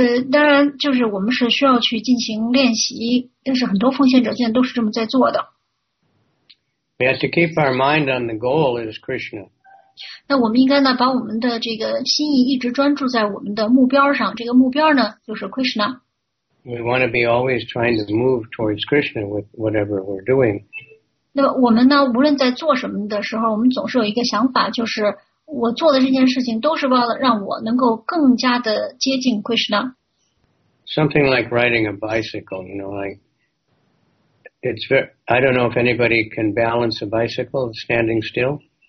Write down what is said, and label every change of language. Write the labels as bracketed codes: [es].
[zh] 当然就是我们是需要去进行练习，但是很多奉献者现在都是这么在做的。 [en] We have to keep our mind on the goal is Krishna. [zh] 那我们应该呢把我们的这个心意一直专注在我们的目标上，这个目标呢就是 Krishna。 [en] We want to be always trying to move towards Krishna with whatever we're doing. [zh] 那我们呢，无论在做什么的时候，我们总是有一个想法，就是我做的这件事情都是为了让我能够更加的接近 Krishna. [en] Something like riding a bicycle, you know, like it's very, I don't know if anybody can balance a bicycle standing still.